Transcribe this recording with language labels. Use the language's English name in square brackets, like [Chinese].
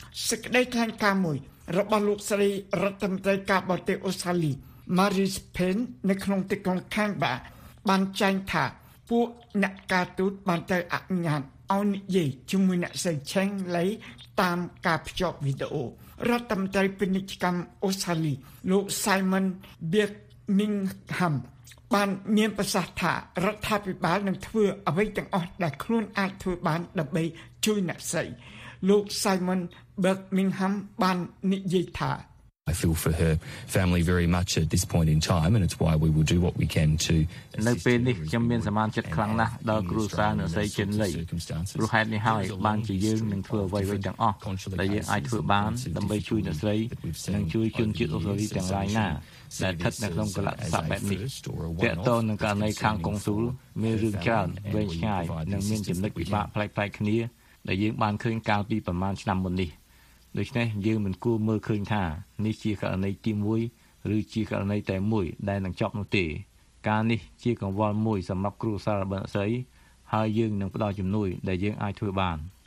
[Khmer] សេចក្តីថ្លែងការណ៍មួយរបស់លោកស្រីរដ្ឋមន្ត្រីការបរទេសអូស្ត្រាលី Marie Spence នៅក្នុងទីក្រុង Canberra បានចែងថាពួកអ្នកការទូតបានត្រូវអនុញ្ញាតឲ្យនិយាយជាមួយអ្នកស្រី Cheng Lei តាមការភ្ជាប់វីដេអូរដ្ឋមន្ត្រីពាណិជ្ជកម្មអូស្ត្រាលីលោក Simon Birmingham បានមានប្រសាសន៍ថារដ្ឋាភិបាលនឹងធ្វើអ្វីទាំងអស់ដែលខ្លួនអាចធ្វើបានដើម្បីជួយអ្នកស្រីលោក Simon Birmingham បាននិយាយថា [English] I feel for her family very much at this point in time and it's why we will do what we can to [Khmer] នៅពេលនេះខ្ញុំមានសមានចិត្តខ្លាំងណាស់ដល់គ្រួសារអ្នកស្រីចិនលីព្រោះហេតុនេះហើយបានជាយើងនឹងធ្វើអ្វីៗទាំងអស់ដែលយើងអាចធ្វើបានដើម្បីជួយអ្នកស្រីនិងជួយជនជាតិអូស្ត្រាលីទាំងឡាយណាដែលស្ថិតនៅក្នុងកលៈសៈបែបនេះ តើតើនឹងការនៃខាងកុងស៊ូលមានរឿងច្រើនវែងឆ្ងាយនិងមានចំណុចពិបាកផ្លែកៗគ្នាដែលយើងបានឃើញកាលពីប្រមាណឆ្នាំមុននេះដូច្នេះយើងមិនគួរមើលឃើញថានេះជាករណីទីមួយឬជាករណីតែមួយដែលនឹងចប់នោះទេការនេះជាកង្វល់មួយសម្រាប់គ្រួសាររបស់អ្នកស្រីហើយយើងនឹងផ្ដល់ជំនួយដែលយើងអាចធ្វើបាន